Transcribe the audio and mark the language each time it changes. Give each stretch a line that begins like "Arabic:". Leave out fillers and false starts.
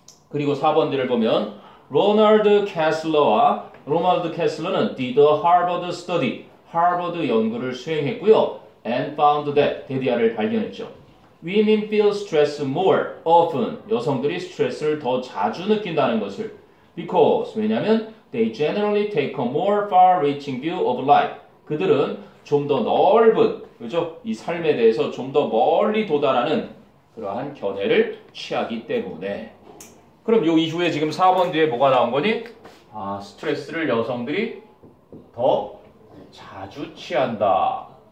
Korean: 그리고 4번들을 보면 로널드 캐슬러와 로널드 캐슬러는
English: did a Harvard study.
Korean: 하버드 연구를 수행했고요.
English: And found that
Korean: 데디아를 발견했죠.
English: Women feel stress more often.
Korean: 여성들이 스트레스를 더 자주 느낀다는 것을.
English: Because 왜냐면 they generally take a more far-reaching view of life.
Korean: 그들은 좀 더 넓은 그죠? 이 삶에 대해서 좀 더 멀리 도달하는 그러한 견해를 취하기 때문에. 그럼 요 이후에 지금 4번 뒤에 뭐가 나온 거니? 아, 스트레스를 여성들이 더 자주 취한다.